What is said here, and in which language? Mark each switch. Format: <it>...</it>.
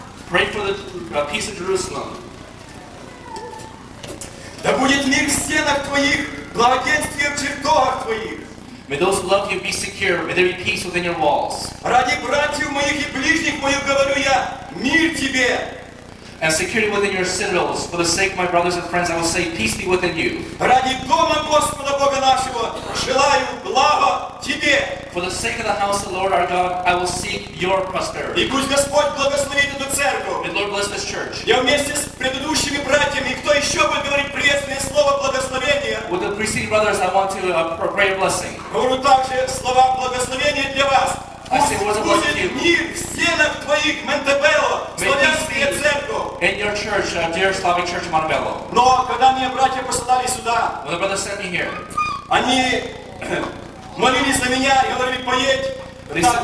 <en>Pray for the peace of Jerusalem.</en> <ru>Да будет мир в стенах твоих, благоденствие в чертогах твоих.</ru> <en>May those who love you be secure. May there be peace within your walls.</en> <ru>Ради братьев моих и ближних моих говорю я, мир тебе.</ru> <en>And security within your citadels. For the sake of my brothers and friends, I will say, peace be within you.</en> <ru>Ради дома Господа Бога нашего желаю блага тебе.</ru> <en>For the sake of the house of the Lord our God, I will seek your prosperity.</en> <ru>И пусть Господь благословит эту церковь.</ru> <en>May the Lord bless this church.</en> <ru>Я вместе с предыдущими братьями, кто еще будет говорить приветственное слово благословения?</ru> <en>With the preceding brothers, I want to pray a blessing.</en> <ru>Говорю также слова благословения для вас.</ru> <en>I say, what's</en> <ru>будет</ru> <en>a blessing</en> <ru>мир в стенах твоих, Монте-Белло, славянская церковь.</ru> <en>In your church, dear Slavic church, Montebello.</en> <ru>Но когда мне братья посылали сюда,</ru> <en>when the brothers sent me here,</en> <ru>они молились за меня и говорили, поедь,</ru>